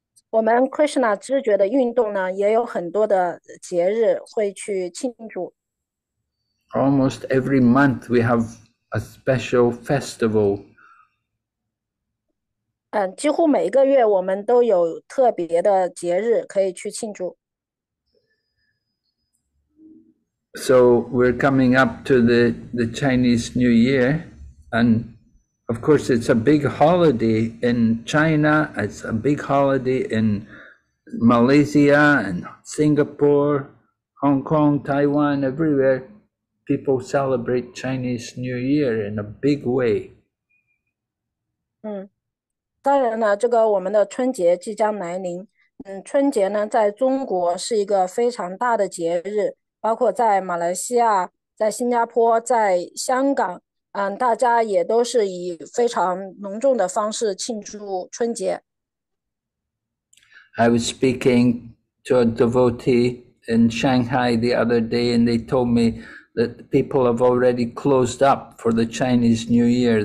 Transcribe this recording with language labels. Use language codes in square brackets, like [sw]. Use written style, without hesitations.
[zh] 我们 Krishna 知觉的运动呢，也有很多的节日会去庆祝。 [en] Almost every month we have a special festival. [zh] 几乎每个月我们都有特别的节日可以去庆祝。 [en] So we're coming up to the Chinese New Year, and of course it's a big holiday in China, it's a big holiday in Malaysia and Singapore, Hong Kong, Taiwan, everywhere. People celebrate Chinese New Year in a big way. [zh] 当然了，这个我们的春节即将来临。春节呢，在中国是一个非常大的节日，包括在马来西亚、在新加坡、在香港，大家也都是以非常隆重的方式庆祝春节。 [en] I was speaking to a devotee in Shanghai the other day, and they told me that people have already closed up for the Chinese New Year.